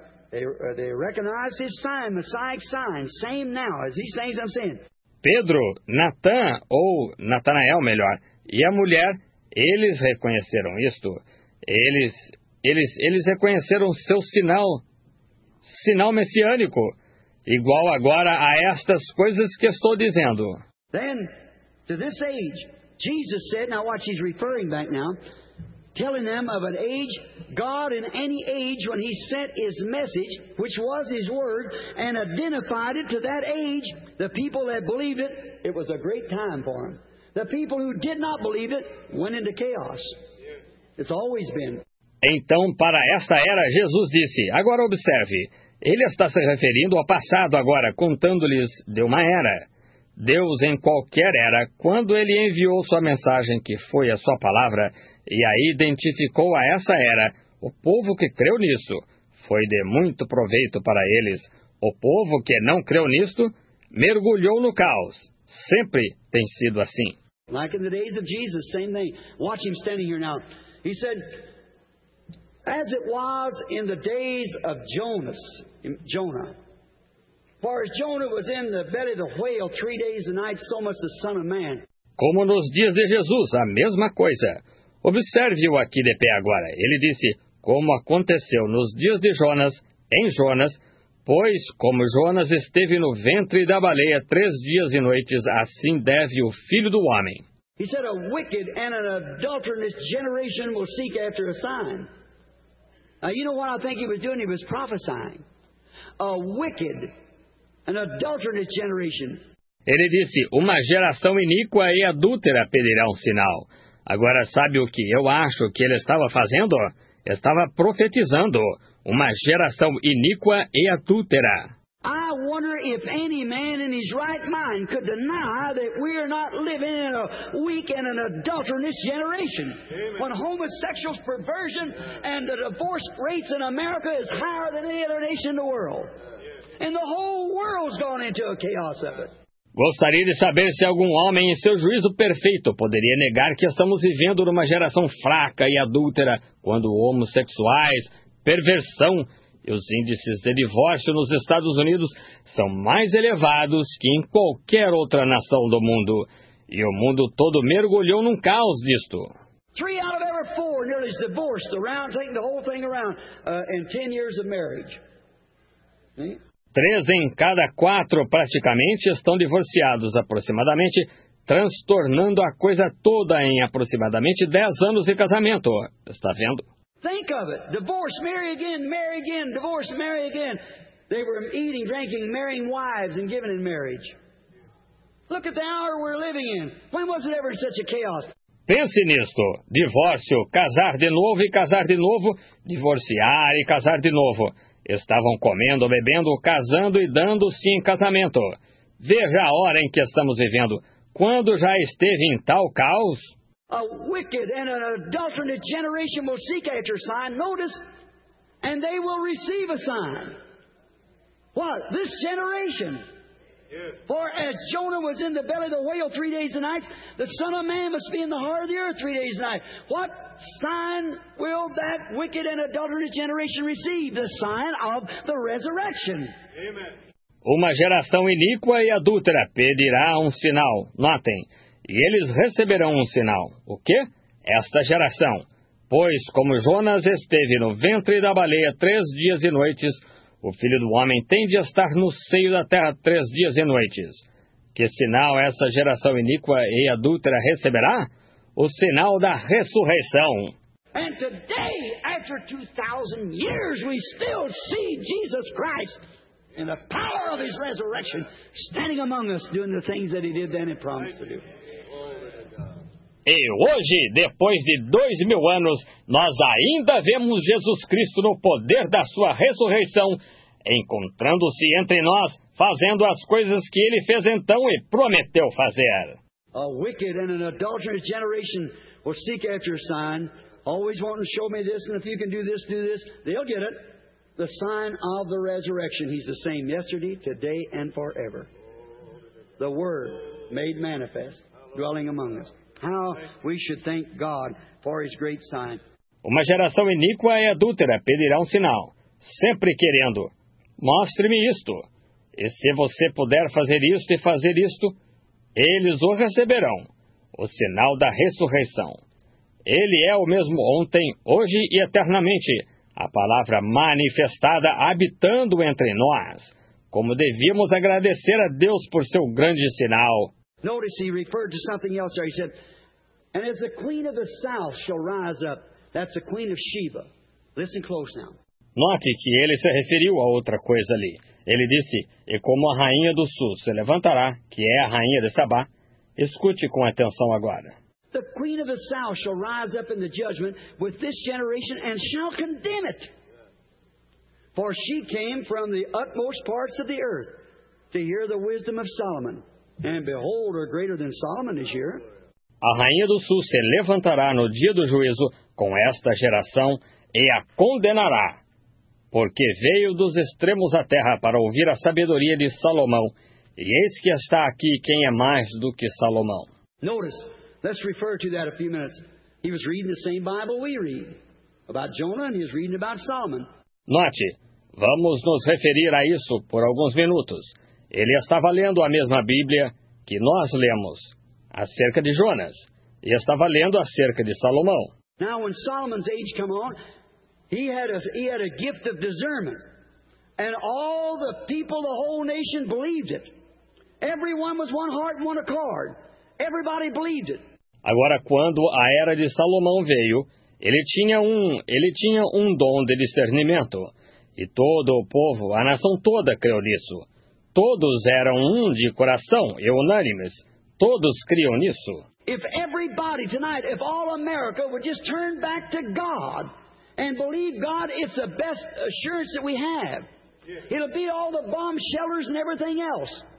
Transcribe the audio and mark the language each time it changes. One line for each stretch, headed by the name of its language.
English: They recognize his sign, Messiah's sign, same now, as these things I'm saying.
Portuguese: Pedro, Natan, ou Natanael, melhor, e a mulher, eles reconheceram isto. Eles reconheceram seu sinal, sinal messiânico, igual agora a estas coisas que estou dizendo.
English: Then, to this age, Jesus said, now watch, he's referring back now, telling them of an age, God in any age when he sent his message, which was his word, and identified it to that age, the people that believed it, it was a great time for them. The people who did not believe it went into chaos. It's always been.
Portuguese: Então, para esta era, Jesus disse, agora observe, ele está se referindo ao passado agora, contando-lhes de uma era. Deus, em qualquer era, quando ele enviou sua mensagem, que foi a sua palavra, e a identificou a essa era, o povo que creu nisso foi de muito proveito para eles. O povo que não creu nisto mergulhou no caos. Sempre tem sido assim.
English: Like in the days of Jesus, same thing. Watch him standing here now. He said, as it was in the days of Jonah. For as Jonah was in the belly of the whale 3 days and nights, so must the Son of Man.
Portuguese: Como nos dias de Jesus, a mesma coisa. Observe-o aqui de pé agora. Ele disse, como aconteceu nos dias de Jonas, em Jonas, pois como Jonas esteve no ventre da baleia 3 dias e noites, assim deve o Filho do Homem.
English: He said, a wicked and an adulterous generation will seek after a sign. Now, you know what I think he was doing? He was prophesying. A wicked and adulterous generation.
Portuguese: Ele disse, uma geração iníqua e adúltera pedirá um sinal. Agora, sabe o que eu acho que ele estava fazendo? Estava profetizando. Uma geração iníqua e adúltera.
English: I wonder if any man in his right mind could deny that we are not living in a weak and an adulterous generation. Amen. When homosexual perversion and the divorce rates in America is higher than any other nation in the world. And the whole world's gone into a chaos of it.
Portuguese: Gostaria de saber se algum homem em seu juízo perfeito poderia negar que estamos vivendo numa geração fraca e adúltera quando homossexuais, perversão e os índices de divórcio nos Estados Unidos são mais elevados que em qualquer outra nação do mundo. E o mundo todo mergulhou num caos disto.
English: 3 out of every 4 nearly divorced around, taking the whole thing around in 10 years of marriage.
Portuguese: 3 em cada 4 praticamente estão divorciados aproximadamente, transtornando a coisa toda em aproximadamente 10 anos de casamento. Está vendo?
English: Think of it. Divorce, marry again, divorce, marry again. They were eating, drinking, marrying wives and giving in marriage. Look at the hour we're living in. When was it ever such a chaos?
Portuguese: Pense nisto. Divórcio, casar de novo e casar de novo, divorciar e casar de novo. Estavam comendo, bebendo, casando e dando-se em casamento. Veja a hora em que estamos vivendo. Quando já esteve em tal caos?
English: A wicked and an adulterous generation will seek after a sign. Notice, and they will receive a sign. What? This generation. Yes. For as Jonah was in the belly of the whale 3 days and nights, the Son of Man must be in the heart of the earth 3 days and nights. What sign will that wicked and adulterous generation receive? The sign of the resurrection. Amen.
Portuguese: Uma geração iníqua e adúltera pedirá um sinal. Notem. E eles receberão um sinal. O quê? Esta geração. Pois, como Jonas esteve no ventre da baleia 3 dias e noites, o Filho do Homem tem de estar no seio da terra 3 dias e noites. Que sinal esta geração iníqua e adúltera receberá? O sinal da ressurreição. E hoje, depois de 2,000 anos, ainda vemos Jesus Cristo com o poder da sua ressurreição,
English: standing among us, doing the things that he did then and promised to do.
Portuguese: E hoje, depois de 2,000 anos, nós ainda vemos Jesus Cristo no poder da sua ressurreição, encontrando-se entre nós, fazendo as coisas que ele fez então e prometeu fazer.
English: A wicked and an adulterous generation will seek after a sign, always wanting to show me this, and if you can do this, they'll get it. The sign of the resurrection. He's the same yesterday, today, and forever. The Word made manifest, dwelling among us. How we should thank God for his great sign.
Portuguese: Uma geração iníqua e adúltera pedirá um sinal, sempre querendo, mostre-me isto. E se você puder fazer isto e fazer isto, eles o receberão, o sinal da ressurreição. Ele é o mesmo ontem, hoje e eternamente, a palavra manifestada habitando entre nós. Como devíamos agradecer a Deus por seu grande sinal.
English: Notice he referred to something else there. He said, and as the queen of the south shall rise up, that's the queen of Sheba. Listen close now.
Portuguese: Note que ele se referiu a outra coisa ali. Ele disse, e como a rainha do sul se levantará, que é a rainha de Sabá, escute com atenção agora.
English: The queen of the south shall rise up in the judgment with this generation and shall condemn it. For she came from the utmost parts of the earth to hear the wisdom of Solomon. And behold, are greater than Solomon this year.
Portuguese: A rainha do sul se levantará no dia do juízo com esta geração e a condenará, porque veio dos extremos da terra para ouvir a sabedoria de Salomão, e eis que está aqui quem é mais do que Salomão.
English: Notice, Let's refer to that a few minutes. He was reading the same Bible we read about Jonah, and he was reading about Solomon.
Portuguese: Note, vamos nos referir a isso por alguns minutos. Ele estava lendo a mesma Bíblia que nós lemos acerca de Jonas. E estava lendo acerca de Salomão.
English: Now, when Solomon's age came on, he had a gift of discernment. And all the people, the whole nation, believed it. Everyone was one heart and one accord. Everybody believed it.
Portuguese: Agora, quando a era de Salomão veio, ele tinha um dom de discernimento. E todo o povo, a nação toda, creu nisso. Todos eram um de coração e unânimes. Todos criam nisso.
English: If everybody tonight, if all America would just turn back to God and believe God, it's the best assurance that we have. It'll be all the bomb shelters and everything else.